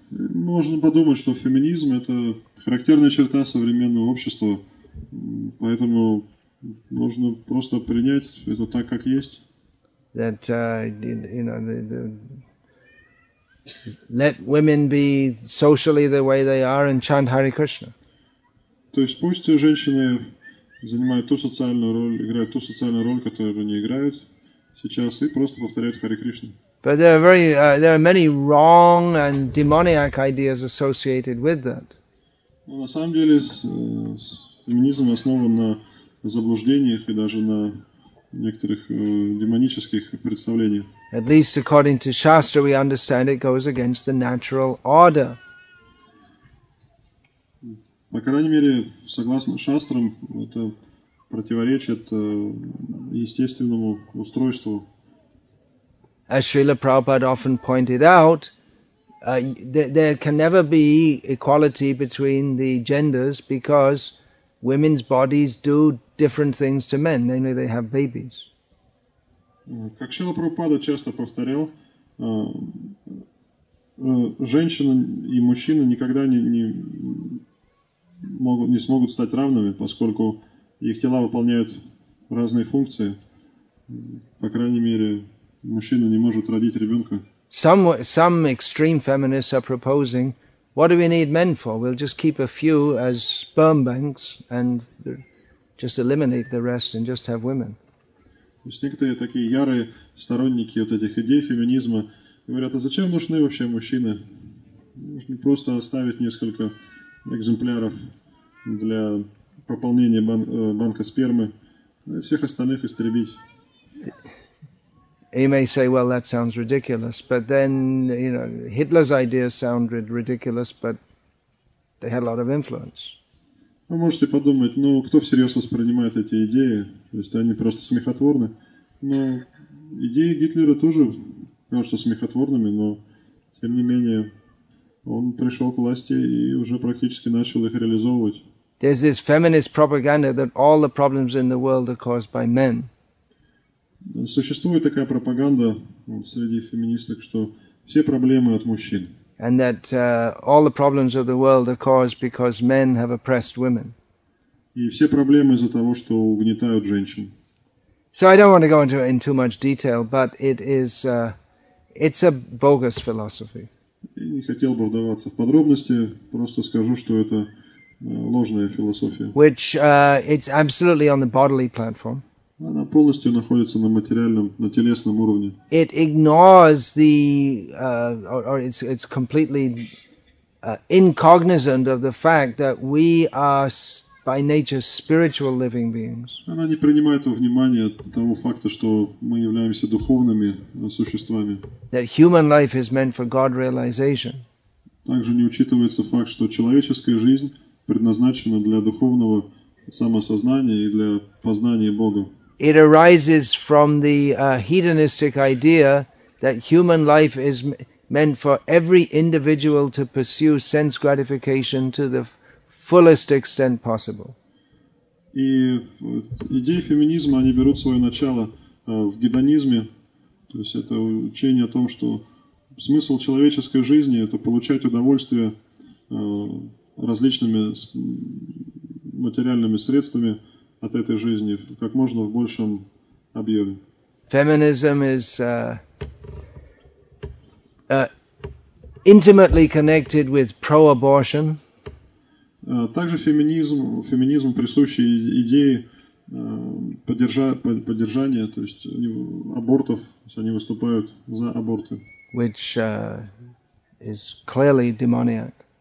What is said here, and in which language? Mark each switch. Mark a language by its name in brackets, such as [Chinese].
[Russian] Можно подумать, что феминизм — это характерная черта современного общества, поэтому нужно просто принять это так, как есть. [English] That, you know, the let women be socially the way they are and chant Hare Krishna. [Russian] То есть пусть женщины занимают ту социальную роль, играют ту социальную роль, которую они играют сейчас, и просто повторяют Хари Кришну. [English] But there are many wrong and demoniac ideas associated with that. [Russian] Но на самом деле феминизм основан на заблуждениях и даже на некоторых демонических представлениях. [English] At least according to Shastra, we understand it goes against the natural order. [Russian] По крайней мере, согласно шастрам, это противоречит естественному устройству. [English] As Srila Prabhupada often pointed out, there can never be equality between the genders because women's bodies do different things to men, namely they have babies. [Russian] Как Шрила Прабхупада часто повторял, женщина и мужчина никогда не смогут стать равными, поскольку их тела выполняют разные функции. По крайней мере, мужчина не может родить ребенка. [English] Some extreme feminists are proposing, what do we need men for? We'll just keep a few as sperm banks and just eliminate the rest and just have women. [Russian] То есть некоторые такие ярые сторонники вот этих идей феминизма говорят, а зачем нужны вообще мужчины? Нужно просто оставить несколько экземпляров для пополнения банка спермы, ну и всех остальных истребить. [English] You may say, well, that sounds ridiculous, but then, you know, Hitler's ideas sounded ridiculous, but they had a lot of influence. [Russian] Вы можете подумать, ну, кто всерьез воспринимает эти идеи? То есть они просто смехотворны. Но идеи Гитлера тоже, потому что смехотворными, но, тем не менее, он пришел к власти и уже практически начал их реализовывать. [English] There's this feminist propaganda that all the problems in the world are caused by men. [Russian] Существует такая пропаганда среди феминисток, что все проблемы от мужчин. [English] And that all the problems of the world are caused because men have oppressed women. [Russian] И все проблемы из-за того, что угнетают женщин. [English] So I don't want to go into it in too much detail, but it is it's a bogus philosophy. [Russian] Я не хотел бы вдаваться в подробности, просто скажу, что это ложная философия. [English] Which it's absolutely on the bodily platform. [Russian] Она полностью находится на материальном, на телесном уровне. [English] It ignores the, or it's completely incognizant of the fact that we are by nature spiritual living beings. [Russian] Она не принимает во внимание того факта, что мы являемся духовными существами. [English] That human life is meant for God realization. [Russian] Также не учитывается факт, что человеческая жизнь предназначена для духовного самосознания и для познания Бога. [English] It arises from the hedonistic idea that human life is meant for every individual to pursue sense gratification to the fullest extent possible. [Russian] И идеи феминизма, они берут свое начало в гедонизме, то есть это учение о том, что смысл человеческой жизни – это получать удовольствие различными материальными средствами от этой жизни как можно в большем объеме. [English] Feminism is intimately connected with pro-abortion. [Russian] Также феминизм присущи идеи поддержания, то есть абортов, они выступают за аборты. [English] Which is clearly demoniac.